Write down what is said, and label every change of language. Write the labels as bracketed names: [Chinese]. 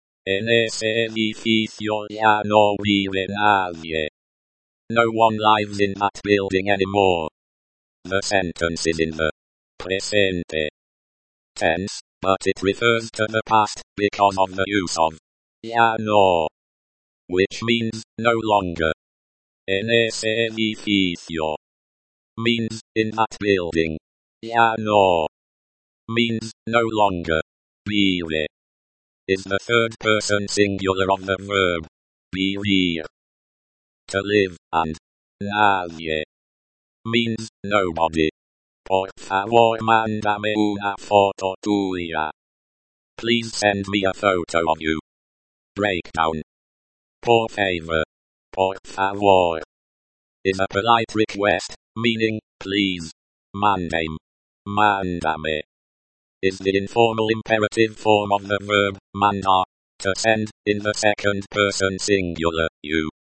[Spanish] En ese edificio ya no vive nadie. [English] No one lives in that building anymore. The sentence is in the presente tense, but it refers to the past, because of the use of ya no, which means, no longer. En ese edificio means, in that building. Ya no means, no longer. Vive is the third person singular of the verb. Vivir. To live, and nadie means, nobody. [Spanish] Por favor, mándame una foto tuya. [English] Please send me a photo of you. Breakdown. Por favor. Por favor. Is a polite request, meaning, please. Mándame. Mándame. Is the informal imperative form of the verb, mandar, to send, in the second person singular, you.